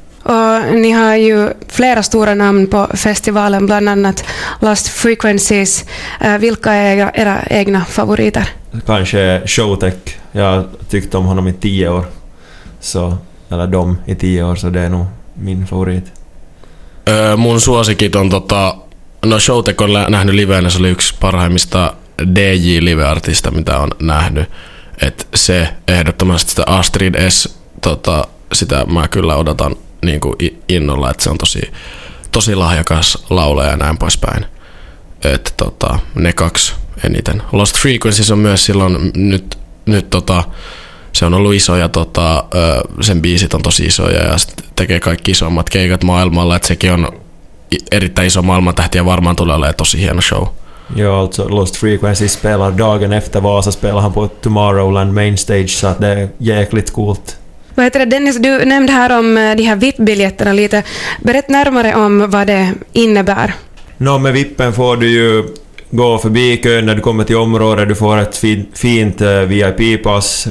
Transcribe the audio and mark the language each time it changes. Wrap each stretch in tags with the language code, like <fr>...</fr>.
<sv>Och ni har ju flera stora namn på festivalen, bland annat Lost Frequencies. Vilka är era egna favoriter? Kanske Showtech. Jag tyckte om honom i 10 år. Så, eller dem i 10 år, så det är nog min favorit.</sv> <fi>Mun suosikit on Showtech on nähnyt liveenä, se oli yksi parhaimmista DJ-live-artista, mitä on nähnyt. Et se ehdottomasti sitä Astrid S, sitä mä kyllä odotan niin kuin innolla, että se on tosi, tosi lahjakas laulaja ja näin poispäin. Että ne kaksi eniten. Lost Frequencies on myös silloin nyt se on ollut iso ja sen biisit on tosi isoja ja tekee kaikki isommat keikat maailmalla, että sekin on erittäin iso maailmantähti ja varmaan tulee olemaan tosi hieno show.</fi> <sv>Ja, alltså Lost Frequency spelar dagen efter Vasa, spelar han på Tomorrowland Mainstage, så det är jäkligt coolt. Vad heter det, Dennis, du nämnde här om de här VIP-biljetterna lite. Berätt närmare om vad det innebär. Nå, med VIP-en får du ju gå förbi kön när du kommer till området. Du får ett fint VIP-pass.</sv>